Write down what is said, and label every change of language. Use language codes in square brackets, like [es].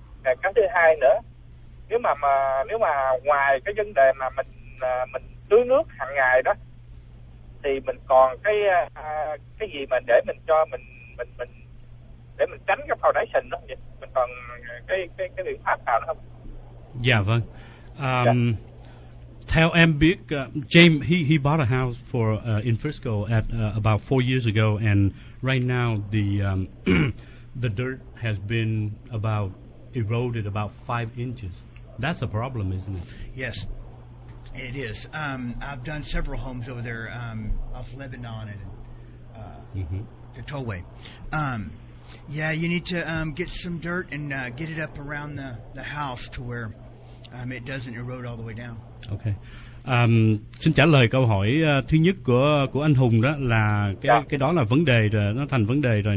[vi] Và cái thứ hai nữa, nếu mà ngoài cái vấn đề mà mình tưới nước hàng ngày đó, thì mình còn cái gì mà để mình cho mình để mình tránh cái foundation đó vậy? Mình còn cái biện pháp nào đó không? Dạ vâng. Theo em biết, [en] James, he bought a house in Frisco at about 4 years ago, and right now the the dirt has been about eroded about 5 inches. That's a problem, isn't it? Yes, it is. I've done several homes over there off Lebanon and the tollway. Yeah, you need to get some dirt and get it up around the house to where it doesn't erode all the way down. OK. [vi] Xin trả lời câu hỏi thứ nhất của anh Hùng đó, là cái đó là vấn đề rồi, nó thành vấn đề rồi.